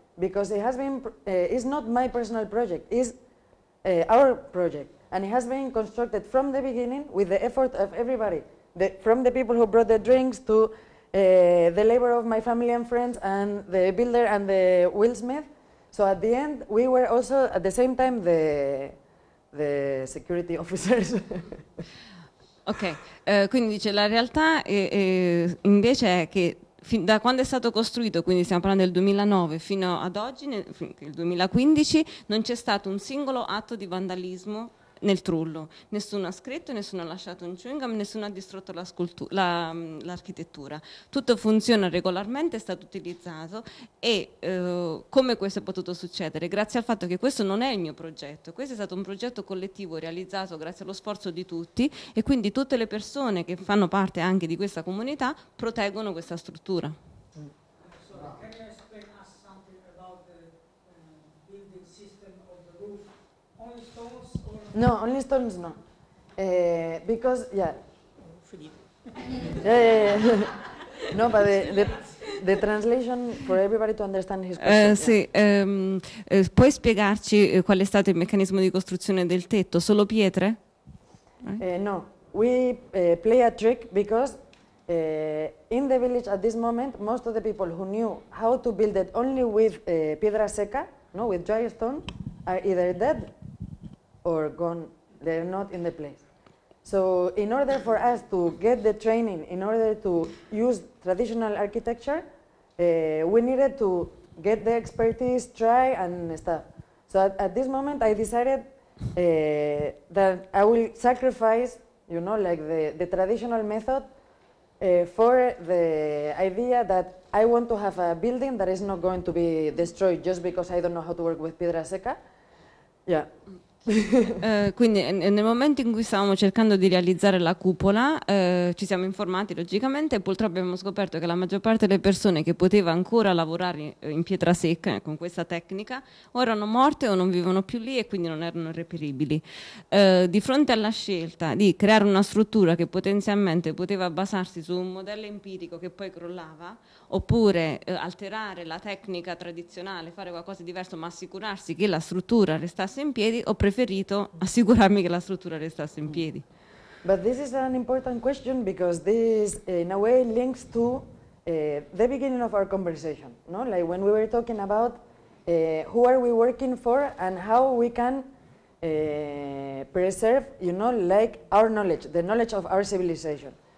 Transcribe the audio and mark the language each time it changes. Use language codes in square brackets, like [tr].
[en] Because it has been, it's not my personal project, it's our project, and it has been constructed from the beginning with the effort of everybody, from the people who brought the drinks to the labor of my family and friends and the builder and the wheelsmith. So at the end, we were also at the same time the security officers. [it] Ok, quindi dice la realtà invece è che da quando è stato costruito, quindi stiamo parlando del 2009, fino ad oggi, nel 2015, non c'è stato un singolo atto di vandalismo nel trullo. Nessuno ha scritto, nessuno ha lasciato un chewing gum, nessuno ha distrutto la l'architettura. Tutto funziona regolarmente, è stato utilizzato. E come questo è potuto succedere? Grazie al fatto che questo non è il mio progetto, questo è stato un progetto collettivo realizzato grazie allo sforzo di tutti, e quindi tutte le persone che fanno parte anche di questa comunità proteggono questa struttura. [en] No, only stones, no. Because, yeah. No, but the translation for everybody to understand his question. [it] Sì, puoi spiegarci qual è stato il meccanismo di costruzione del tetto? Solo pietre? [en] No, we play a trick because in the village at this moment, most of the people who knew how to build it only with piedra seca, no, with dry stone, are either dead or gone, they're not in the place. So in order for us to get the training, in order to use traditional architecture, we needed to get the expertise, try and stuff. So at this moment I decided that I will sacrifice, you know, like the traditional method for the idea that I want to have a building that is not going to be destroyed just because I don't know how to work with piedra seca. Yeah. [it] Quindi nel momento in cui stavamo cercando di realizzare la cupola ci siamo informati logicamente, e purtroppo abbiamo scoperto che la maggior parte delle persone che poteva ancora lavorare in pietra secca con questa tecnica o erano morte o non vivono più lì e quindi non erano reperibili. Di fronte alla scelta di creare una struttura che potenzialmente poteva basarsi su un modello empirico che poi crollava, oppure alterare la tecnica tradizionale, fare qualcosa di diverso ma assicurarsi che la struttura restasse in piedi, ho preferito assicurarmi che la struttura restasse in piedi. [en] But this is an important question because this in a way links to the beginning of our conversation, no? Like when we were talking about who are we working for and how we can preserve, you know, like our knowledge, the knowledge of our civilization.